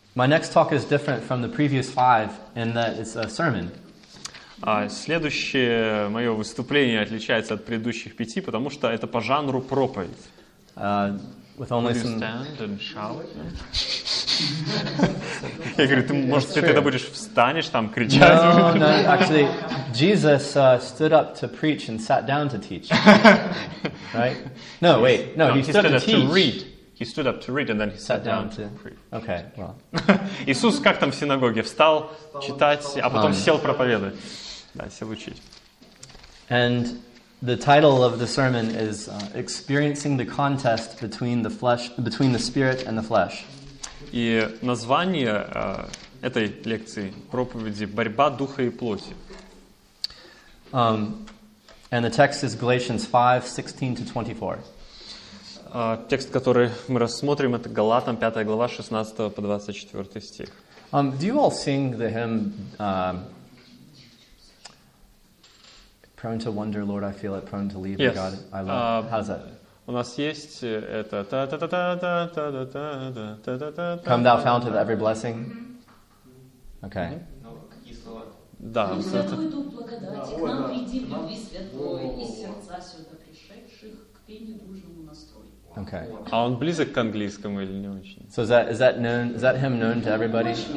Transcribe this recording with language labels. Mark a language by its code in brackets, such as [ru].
[en] My next talk is different from the previous five in that it's a sermon. [ru] Следующее мое выступление отличается от предыдущих пяти, потому что это по жанру проповедь. [en] With only some... stand and shout. [ru] Я говорю, ты, может, ты тогда будешь встанешь там кричать? [en] No, no, actually, Jesus stood up to preach and sat down to teach. Right? No, wait. No, no he stood up to read. He stood up to read and then he sat down to preach. Okay, well. [ru] Иисус как там в синагоге? Встал читать, а потом сел проповедовать. Да, сел учить. [en] And the title of the sermon is Experiencing the Contest Between the Flesh, Between the Spirit and the Flesh. [ru] И название этой лекции, проповеди «Борьба духа и плоти». [en] And the text is Galatians 5:16-24. [ru] Текст, который мы рассмотрим, это Галатам, 5 глава, 16 по 24 стих. [en] Do you all sing the hymn Prone to wonder, Lord, I feel it, prone to leave, yes. God, I love it. How's that? [ru] У нас есть это та-та-та-та-та-та-та-та-та-та-та-та-та. [en] Come thou fount of every blessing. Okay. [ru] Да. Святую дух благодати к нам приди, любви святой, и сердца сюда пришедших к пению дружному настрой. [en] Okay. [ru] А он близок к английскому или не очень? [en] So is that known, is that hymn known to everybody?